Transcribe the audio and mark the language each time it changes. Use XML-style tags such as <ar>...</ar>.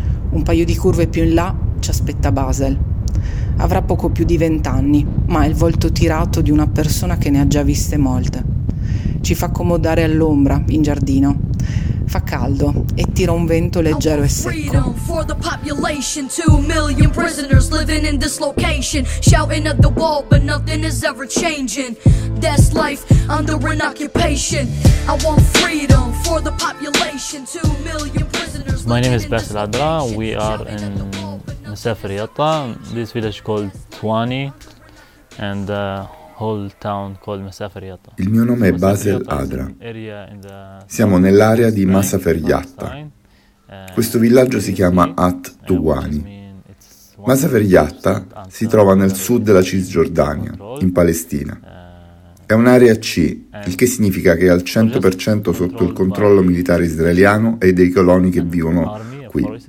<it>Un paio di curve più in là ci aspetta Basel. Avrà poco più di 20 anni, ma ha il volto tirato di una persona che ne ha già viste molte. Ci fa accomodare all'ombra, in giardino. Fa caldo e tira un vento leggero e secco.</it> <en>2 million prisoners living in this location, shouting at the wall, but nothing is ever changing. That's life under an occupation. I want freedom for the population. 2 million prisoners. My name is Basil Adra. We are in Safar Yatta, this village called Tuani, and whole town called Masafer Yatta.</en> <it>Il mio nome è Basil Adra. Siamo nell'area di Masafer Yatta. Questo villaggio si chiama At Tuani. Masafer Yatta si trova nel sud della Cisgiordania, in Palestina. È un'area C, il che significa che è al 100% sotto il controllo militare israeliano e dei coloni che vivono qui.</it>